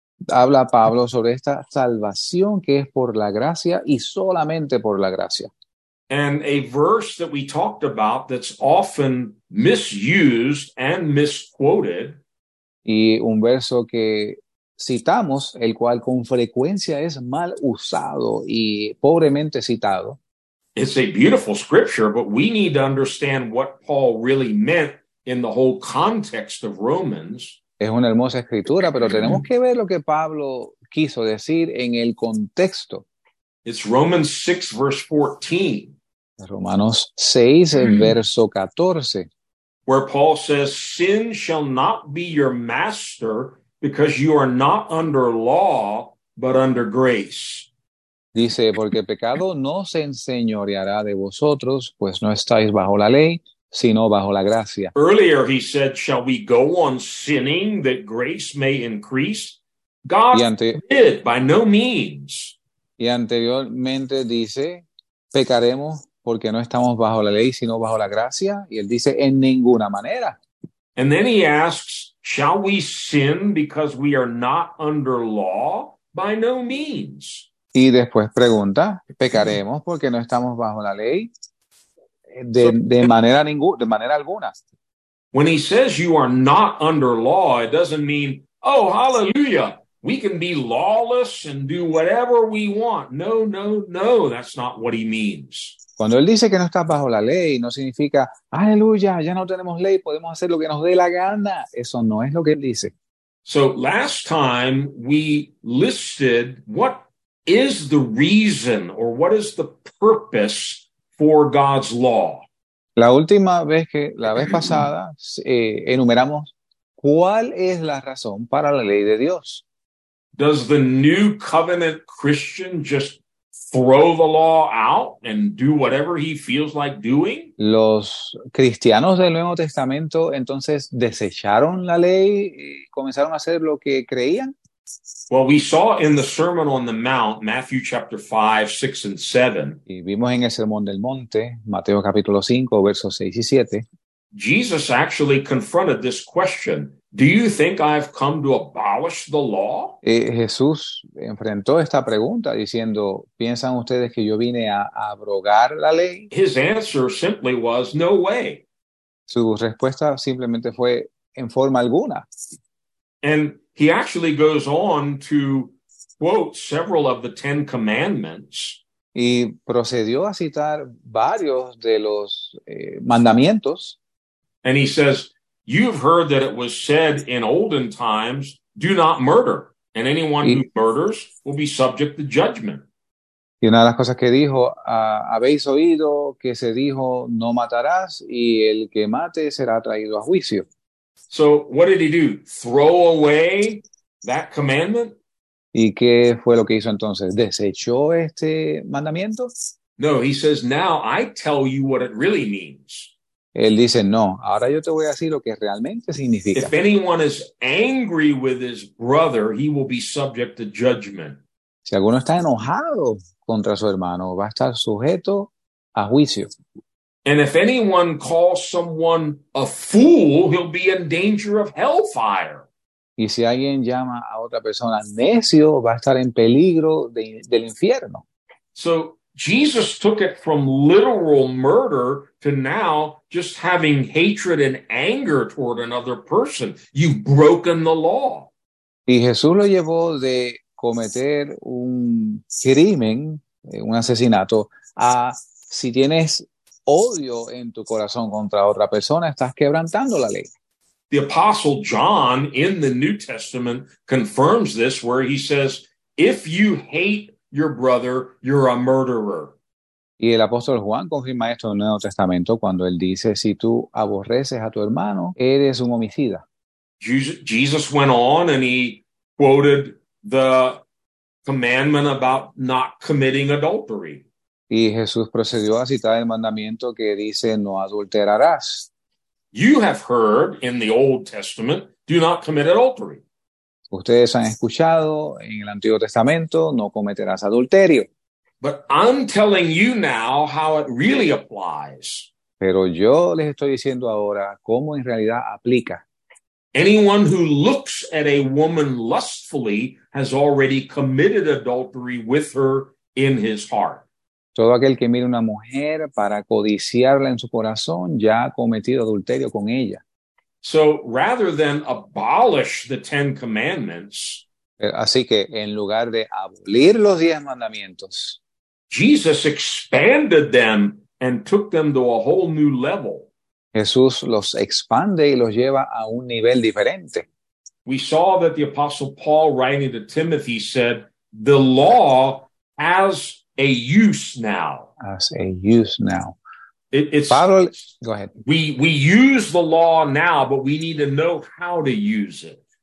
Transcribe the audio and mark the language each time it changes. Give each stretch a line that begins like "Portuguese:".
Spanish: Habla Pablo sobre esta salvación que es por la gracia y solamente por la gracia.
English: And a verse that we talked about that's often misused and misquoted.
Spanish: Y un verso que citamos, el cual con frecuencia es mal usado y pobremente citado.
English: It's a beautiful scripture, but we need to understand what Paul really meant in the whole context of Romans.
Spanish: Es una hermosa escritura, pero tenemos que ver lo que Pablo quiso decir en el contexto.
English: It's Romans 6, verse 14.
Spanish: Romanos 6, verso 14.
English: Where Paul says, sin shall not be your master because you are not under law, but under grace.
Spanish: Dice, porque pecado no se enseñoreará de vosotros, pues no estáis bajo la ley, sino bajo la gracia.
English: Earlier he said, shall we go on sinning that grace may increase? God forbid, by no means.
Spanish: Y anteriormente dice, pecaremos porque no estamos bajo la ley, sino bajo la gracia. Y él dice, en ninguna manera.
English: And then he asks, shall we sin because we are not under law? By no means.
Spanish: Y después pregunta, ¿pecaremos porque no estamos bajo la ley? De manera alguna.
English: When he says you are not under law, it doesn't mean, oh, hallelujah, we can be lawless and do whatever we want. No, no, no, that's not what he means.
Spanish: Cuando él dice que no estás bajo la ley, no significa, aleluya, ya no tenemos ley, podemos hacer lo que nos dé la gana. Eso no es lo que él dice.
English: So last time we listed what is the reason or what is the purpose for God's law.
Spanish: La última vez que, la vez pasada, enumeramos cuál es la razón para la ley de Dios.
English: Does the new covenant Christian just throw the law out and do whatever he feels like doing?
Spanish: Los cristianos del Nuevo Testamento entonces desecharon la ley y comenzaron a hacer lo que creían.
English: Well, we saw in the Sermon on the Mount, Matthew chapter 5, 6 and 7.
Spanish: Y vimos en el Sermón del Monte, Mateo capítulo 5, versos 6 y 7.
English: Jesus actually confronted this question. Do you think I've come to abolish the law?
Spanish: Jesús enfrentó esta pregunta diciendo, ¿piensan ustedes que yo vine a abrogar la ley?
English: His answer simply was, no way.
Spanish: Su respuesta simplemente fue, en forma alguna.
English: And he actually goes on to quote several of the Ten Commandments.
Spanish: Y procedió a citar varios de los mandamientos.
English: And he says, you've heard that it was said in olden times, do not murder. And anyone who murders will be subject to judgment.
Spanish: Y una de las cosas que dijo, habéis oído que se dijo, no matarás, y el que mate será traído a juicio.
English: So what did he do? Throw away that commandment?
Spanish: ¿Y qué fue lo que hizo entonces? ¿Desechó este mandamiento?
English: No, he says, now I tell you what it really means.
Spanish: Él dice, no, ahora yo te voy a decir lo que realmente significa.
English: If anyone is angry with his brother, he will be subject to judgment.
Spanish: Si alguno está enojado contra su hermano, va a estar sujeto a juicio.
English: And if anyone calls someone a fool, he'll be in danger of hellfire.
Spanish: Y si alguien llama a otra persona necio, va a estar en peligro del infierno.
English: So Jesus took it from literal murder to now just having hatred and anger toward another person. You've broken the law.
Spanish: Y Jesús lo llevó de cometer un crimen, un asesinato, a si tienes odio en tu corazón contra otra persona, estás quebrantando la ley.
English: The Apostle John in the New Testament confirms this, where he says, if you hate your brother, you're a murderer.
Spanish: Y el apóstol Juan confirma esto en el Nuevo Testamento cuando él dice, si tú aborreces a tu hermano, eres un homicida.
English: Jesus went on and he quoted the commandment about not committing adultery.
Spanish: Y Jesús procedió a citar el mandamiento que dice, no adulterarás.
English: You have heard in the Old Testament, do not commit adultery.
Spanish: Ustedes han escuchado en el Antiguo Testamento, no cometerás adulterio.
English: But I'm telling you now how it really applies.
Spanish: Pero yo les estoy diciendo ahora cómo en realidad aplica.
English: Anyone who looks at a woman lustfully has already committed adultery with her in his heart.
Spanish: Todo aquel que mire una mujer para codiciarla en su corazón ya ha cometido adulterio con ella.
English: So rather than abolish the Ten Commandments,
Spanish: así que en lugar de abolir los 10 mandamientos,
English: Jesus expanded them and took them to a whole new level.
Spanish: Jesús los expande y los lleva a un nivel diferente.
English: We saw that the Apostle Paul writing to Timothy said, the law has a use now. Has a use now. Go ahead. We use the law now, but we need to know how to use it.